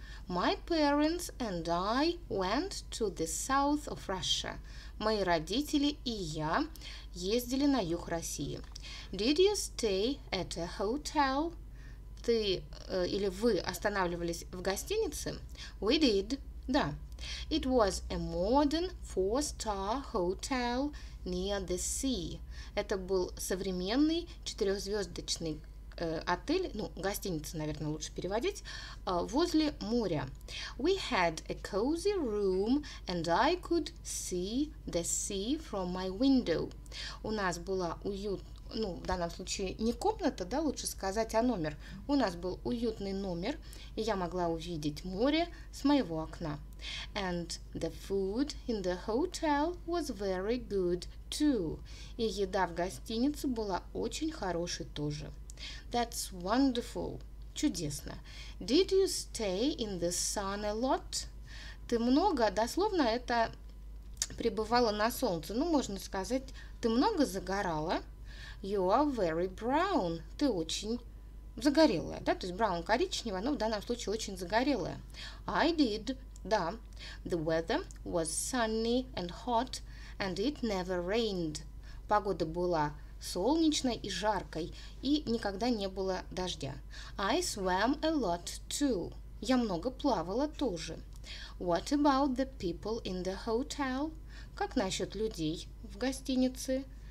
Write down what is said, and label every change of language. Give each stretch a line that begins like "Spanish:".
English: My parents and I went to the south of Russia.
Russian: Мои родители и я ездили на юг России.
English: Did you stay at a hotel?
Russian: Вы останавливались в гостинице?
English: We did.
Russian: Да.
English: It was a modern four-star hotel near the sea.
Russian: Это был современный четырехзвездочный отель, гостиница, наверное, лучше переводить, возле моря.
English: We had a cozy room and I could see the sea from my window.
Russian: У нас была в данном случае не комната, лучше сказать, а номер. У нас был уютный номер, и я могла увидеть море с моего окна.
English: And the food in the hotel was very good too.
Russian: И еда в гостинице была очень хорошей тоже.
English: That's wonderful.
Russian: Чудесно.
English: Did you stay in the sun a lot?
Russian: Ты много, дословно это пребывала на солнце. Можно сказать, ты много загорала.
English: You are very brown.
Russian: Ты очень загорелая, то есть brown коричневая, но в данном случае очень загорелая.
English: I did.
Russian: Да.
English: The weather was sunny and hot, and it never rained.
Russian: Погода была солнечной и жаркой, и никогда не было дождя.
English: I swam a lot too.
Russian: Я много плавала тоже.
English: What about the people in the hotel?
Russian: Как насчет людей в гостинице?